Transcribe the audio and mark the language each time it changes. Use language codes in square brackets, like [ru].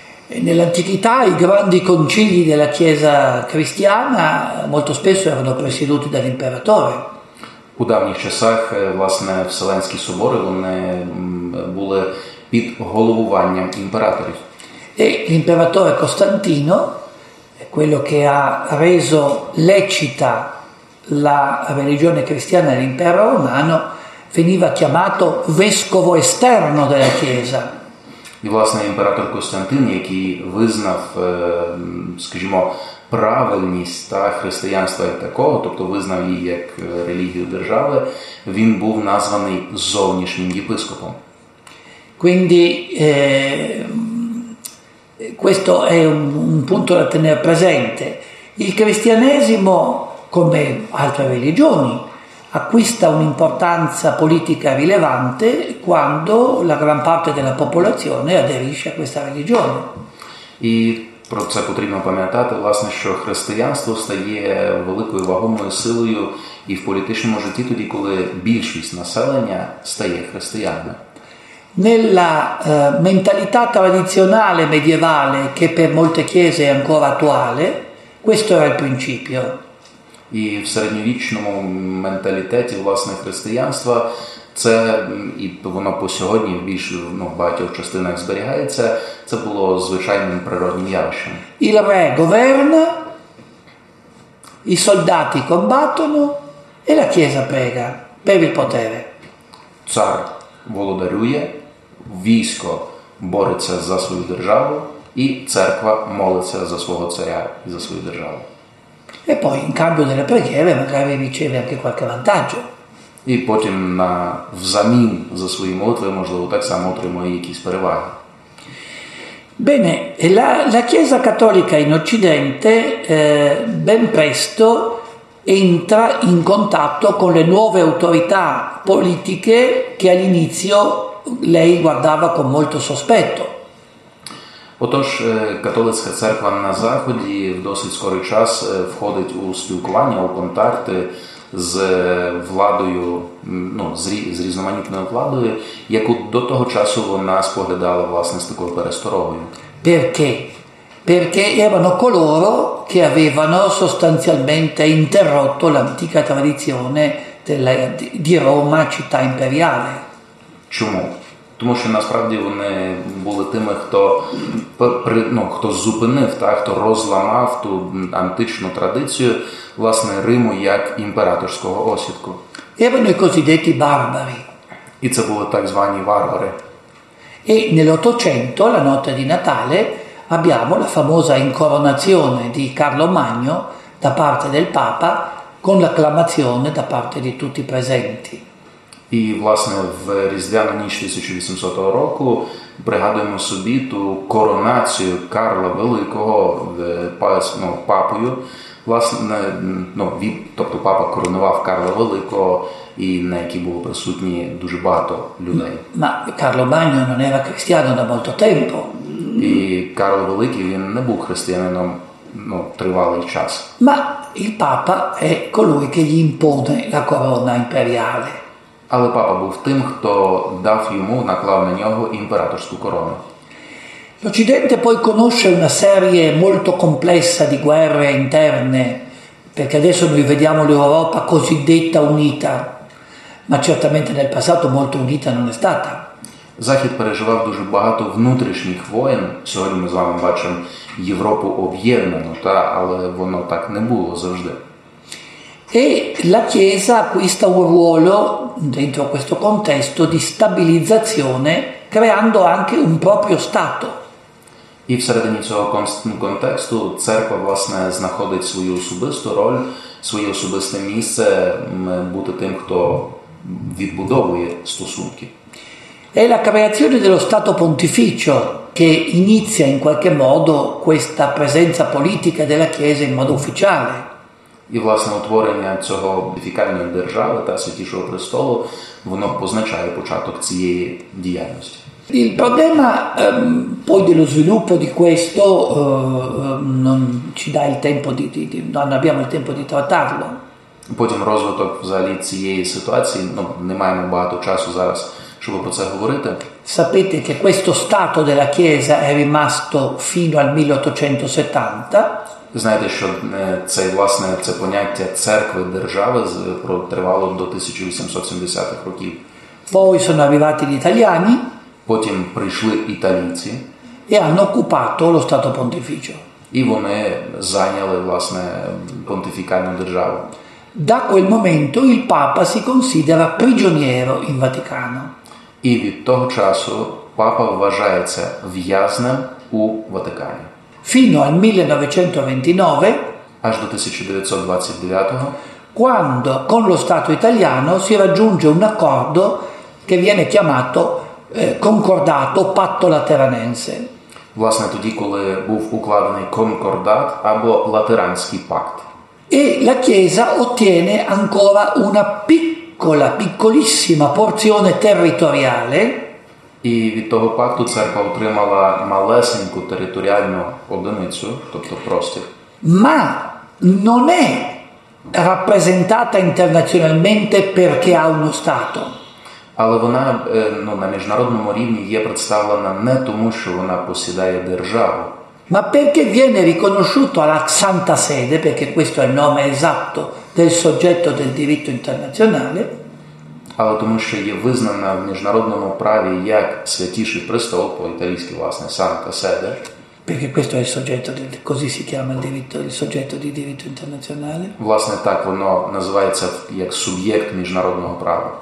[it] Nell'antichità i grandi concili della Chiesa cristiana molto spesso erano presieduti dall'imperatore. [uk] У давніх часах, власне, Вселенські собори, вони були під головуванням імператорів. [it] E l'imperatore Costantino, quello che ha reso lecita la religione cristiana nell'impero romano, veniva chiamato vescovo esterno della Chiesa. [uk] І власне імператор Костянтин, який визнав, скажімо, правильність та християнства як такого, тобто визнав її як релігію держави, він був названий зовнішнім єпископом. [it] Quindi questo è un punto da tenere presente. Il cristianesimo, come altre religioni, acquista un'importanza politica rilevante quando la gran parte della popolazione aderisce a questa religione. [uk] І про це потрібно пам'ятати, власне, що християнство стає великою вагомою силою і в політичному житті тоді, коли більшість населення стає християнами. [it] Nella mentalità tradizionale medievale, che per molte chiese è ancora attuale, questo era il principio. [uk] І в середньовічному менталітеті, власне, християнства, це, і воно по сьогодні більш, ну, в багатьох частинах зберігається, це було звичайним природним явищем. [it] Il re governa, i soldati combattono e la chiesa prega per il potere. [uk] Цар володарює, військо бореться за свою державу і церква молиться за свого царя і за свою державу. [it] E poi in cambio delle preghiere magari riceve anche qualche vantaggio. [uk] І потім на взамін за свої молитви, можливо, так само отримує якісь переваги. [it] Bene, la Chiesa Cattolica in Occidente ben presto entra in contatto con le nuove autorità politiche che all'inizio lei guardava con molto sospetto. [uk] Отож, католицька церква на Заході в досить скорий час входить у спілкування, у контакти з владою, ну, з різноманітною владою, яку до того часу вона споглядала, власне, з такою пересторогою. [it] Perché? Perché erano coloro che avevano sostanzialmente interrotto l'antica tradizione di Roma, città imperiale. [uk] Чому? Тому що насправді вони були тими, хто, ну, хто зупинив, та, хто розламав ту античну традицію, власне, Риму як імператорського осідку. [it] Erano i cosiddetti barbari. [uk] І це були так звані варвари. [it] E nell'Ottocento, la notte di Natale, abbiamo la famosa incoronazione di Carlo Magno da parte del Papa con l'acclamazione da parte di tutti i presenti. [uk] І, власне, в Різдвяну ніч 1800 року пригадуємо собі ту коронацію Карла Великого папою, власне, ну, він, тобто папа коронував Карла Великого, і на якій було присутні дуже багато людей. [it] Ma Carlo Magno non era cristiano da molto tempo. [uk] І Карл Великий, він не був християнином, ну, тривалий час. [it] Ma il Papa è colui che gli impone la corona imperiale. [uk] Але папа був тим, хто дав йому, наклав на нього імператорську корону. [it] L'Occidente poi conosce una serie molto complessa di guerre interne, perché adesso noi vediamo l'Europa cosiddetta unita, ma certamente nel passato molto unita non è stata. [uk] Захід переживав дуже багато внутрішніх воєн. Сьогодні ми з вами бачимо Європу об'єднану, та, але воно так не було завжди. [it] E la Chiesa acquista un ruolo dentro questo contesto di stabilizzazione, creando anche un proprio Stato. [uk] І всередині цього контексту церква, власне, знаходить свою особисту роль, своє особисте місце бути тим, хто відбудовує стосунки. [it] È la creazione dello Stato Pontificio che inizia in qualche modo questa presenza politica della Chiesa in modo ufficiale. [uk] І, власне, утворення цього пантифікальної держави та Святішого Престолу, воно позначає початок цієї діяльності. [it] Il problema poi dello sviluppo di questo non ci dà il tempo di non abbiamo il tempo di trattarlo. [uk] Потім розвиток взагалі цієї ситуації, ну, не маємо багато часу зараз, щоб про це говорити. [it] Sapete che questo stato della Chiesa è rimasto fino al 1870. [uk] Знаєте, що цей, власне, це поняття церкви, держави протривало до 1870-х років. [it] Poi sono arrivati gli italiani. [uk] Потім прийшли італійці. [it] E hanno occupato lo Stato Pontificio. [uk] І вони зайняли, власне, понтифікальну державу. [it] Da quel momento il Papa si considera prigioniero in Vaticano. [uk] І від того часу Папа вважається в'язнем у Ватикані. [it] Fino al 1929, [uk] аж до 1929, [it] quando con lo Stato italiano si raggiunge un accordo che viene chiamato [uk] конкордату, патто латеранензе. Власне, тоді, коли був укладений конкордат або латеранський пакт. [it] E la Chiesa ottiene ancora una piccola, piccolissima porzione territoriale. [uk] І від того пакту церква отримала малесеньку територіальну одиницю, тобто простір. [it] Ma non è rappresentata internazionalmente perché ha uno stato. [uk] Але вона, ну, на міжнародному рівні є представлена не тому, що вона посідає державу. [it] Ma perché viene riconosciuto alla Santa Sede, perché questo è il nome esatto del soggetto del diritto internazionale. [uk] Але тому, що є визнана в міжнародному праві як святіший престол, по-італійськи, власне, Santa Sede. [it] Perché questo è il soggetto, così si chiama il diritto, il soggetto di diritto internazionale. [uk] Власне, так воно називається як суб'єкт міжнародного права.